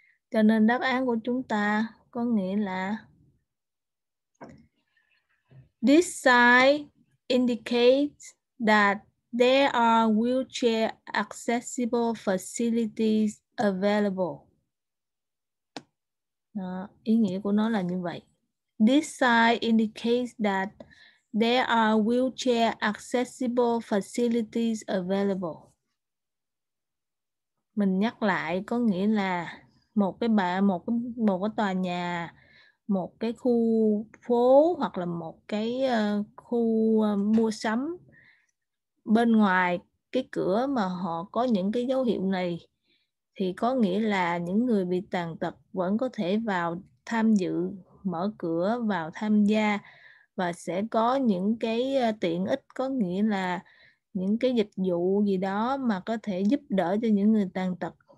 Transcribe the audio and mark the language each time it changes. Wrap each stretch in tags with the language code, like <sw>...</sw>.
<vi>Cho nên đáp án của chúng ta có nghĩa là</vi> <en>sign indicates that there are wheelchair accessible facilities available.</en> <vi>Đó, ý nghĩa của nó là như vậy.</vi> <en>This sign indicates that there are wheelchair accessible facilities available.</en> <vi>Mình nhắc lại có nghĩa là một cái bà một cái tòa nhà, một cái khu phố hoặc là một cái khu mua sắm, bên ngoài cái cửa mà họ có những cái dấu hiệu này thì có nghĩa là những người bị tàn tật vẫn có thể vào tham dự, mở cửa vào tham gia và sẽ có những cái tiện ích, có nghĩa là những cái dịch vụ gì đó mà có thể giúp đỡ cho những người tàn tật.</vi>